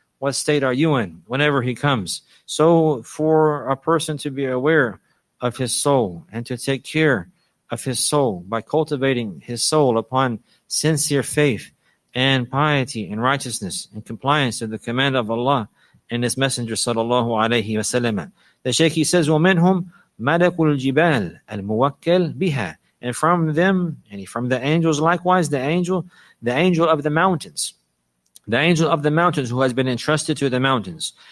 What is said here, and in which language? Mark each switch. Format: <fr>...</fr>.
<en>What state are you in whenever he comes? So for a person to be aware of his soul and to take care of his soul by cultivating his soul upon sincere faith, and piety and righteousness and compliance to the command of Allah and His Messenger sallallahu alayhi wa sallam. The Shaykh, he says,</en> <ar>وَمِنْهُمْ مَلَكُ الْجِبَالِ الْمُوَكَّلْ بِهَا.</ar> <en>And from them, and from the angels likewise, the angel of the mountains who has been entrusted to the mountains.</en>